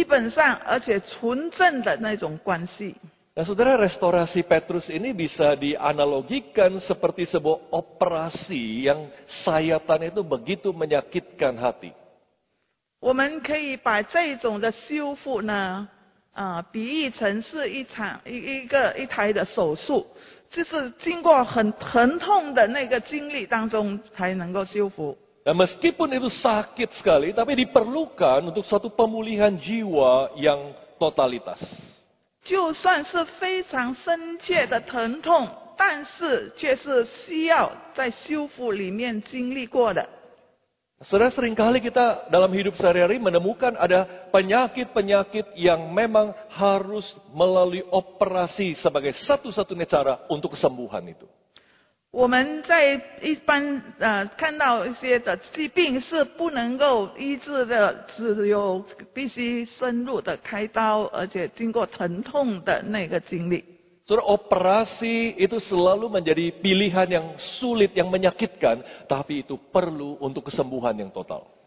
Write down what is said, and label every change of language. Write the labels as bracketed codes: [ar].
[zh] 也适用于我们每一个人，因为每一个人都很盼望得到与主有一个基本上而且纯正的那种关系。 [id] Nah, saudara, restorasi Petrus ini bisa dianalogikan seperti sebuah operasi yang sayatan itu begitu menyakitkan hati. [zh] 我们可以把这种的修复呢，比喻成是一台的手术，就是经过很疼痛的那个经历当中才能够修复。 [id] Nah, meskipun itu sakit sekali, tapi diperlukan untuk suatu pemulihan jiwa yang totalitas. [zh] 就算是非常深切的疼痛，但是却是需要在修复里面经历过的。 [id] Saudara, seringkali kita dalam hidup sehari-hari menemukan ada penyakit-penyakit yang memang harus melalui operasi sebagai satu-satunya cara untuk kesembuhan itu. [zh] 我们在一般看到一些的疾病是不能够医治的，只有必须深入的开刀，而且经过疼痛的那个经历。 [id] Saudara, operasi itu selalu menjadi pilihan yang sulit, yang menyakitkan, tapi itu perlu untuk kesembuhan yang total.